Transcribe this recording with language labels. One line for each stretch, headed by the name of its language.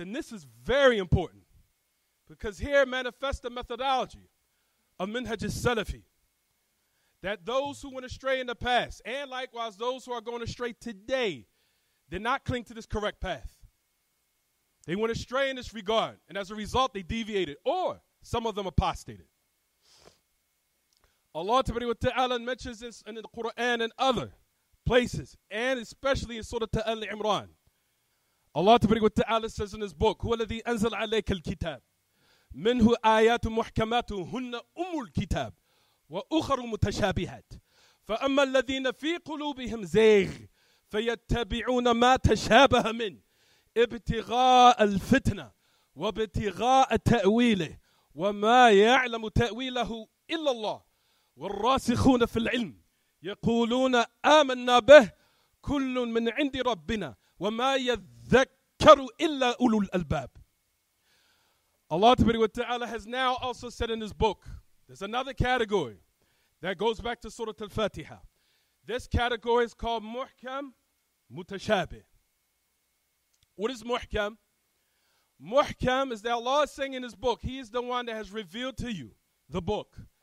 English: And this is very important, because here manifests the methodology of Minhaj al-Salafi, that those who went astray in the past, and likewise those who are going astray today, did not cling to this correct path. They went astray in this regard, and as a result, they deviated, or some of them apostated. Allah Ta'ala mentions this in the Quran and other places, and especially in Surah Al Imran. Allah Ta'ala says in his book,
Arabic: هو الذي أنزل عليك الكتاب منه آيات محكمات هن أم الكتاب وأخر متشابهات فأما الذين في قلوبهم زيغ فيتبعون ما تشابه من ابتغاء الفتنة وابتغاء تأويله وما يعلم تأويله إلا الله والراسخون في العلم يقولون آمنا به كل من عند ربنا وما يذكر إلا أولو الألباب.
English: Allah Ta'ala has now also said in his book, there's another category that goes back to Surah Al-Fatiha. This category is called Muhkam Mutashabih. What is Muhkam? Muhkam is that Allah is saying in his book, he is the one that has revealed to you the book.